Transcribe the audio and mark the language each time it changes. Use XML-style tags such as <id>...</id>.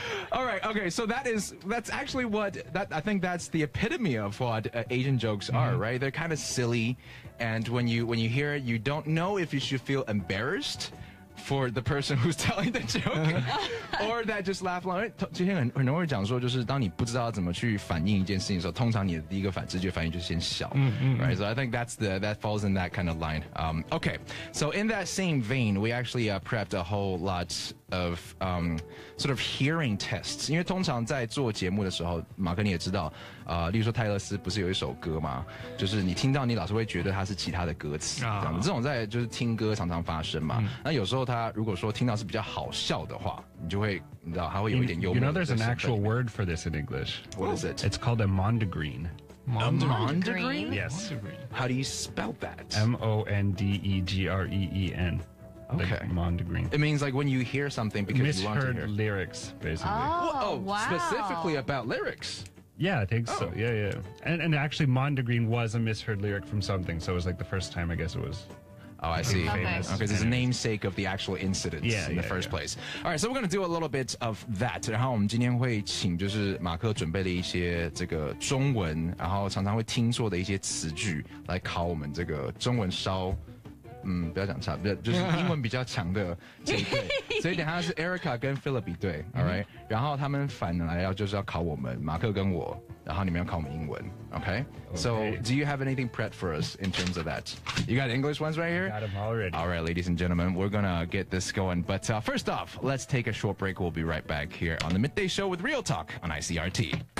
<en>All right, okay, so that's actually I think that's the epitome of what Asian jokes are, mm-hmm. right? They're kind of silly, and when you hear it, you don't know if you should feel embarrassed for the person who's telling the joke, or that just laugh along.</en> <zh>之前很多人讲说，就是当你不知道怎么去反应一件事情的时候，通常你的第一个直觉反应就是先笑。 Mm-hmm.</zh> <en>Right, so I think that falls in that kind of line. Okay, so in that same vein, we actually prepped a whole lot of sort of hearing tests.</en> <zh>因为通常在做节目的时候，马克你也知道，例如说泰勒斯不是有一首歌吗？就是你听到你老是会觉得它是其他的歌词。这种在就是听歌常常发生嘛。那有时候他如果说听到是比较好笑的话，你就会你知道他会有一点幽默。</zh> <en>You know, there's an actual word for this in English. What is it? It's called a mondegreen. A mondegreen? Yes. How do you spell that? M-O-N-D-E-G-R-E-E-N. Like Mondegreen. It means like when you hear something because you want to hear. Misheard lyrics, basically. Oh, wow. Specifically about lyrics. Yeah, I think so. Yeah, yeah. And actually, Mondegreen was a misheard lyric from something. So it was like the first time, I guess, it was. Oh, I see. Okay, it's a namesake of the actual incident in the first place. All right, so we're going to do a little bit of that.</en> <zh>然后我们今天会请就是马克准备了一些这个中文，然后常常会听错的一些词句来考我们这个中文稍，不要讲差，比较就是英文比较强的这一对。所以等一下是 Erica 跟 Philip 一对 ，All right？然后他们反来要就是要考我们马克跟我，然后你们要考我们英文。</zh> <en>Okay, so do you have anything prepped for us in terms of that? You got English ones right here? I got them already. All right, ladies and gentlemen, we're going to get this going. But first off, let's take a short break. We'll be right back here on the Midday Show with Real Talk on ICRT.</en>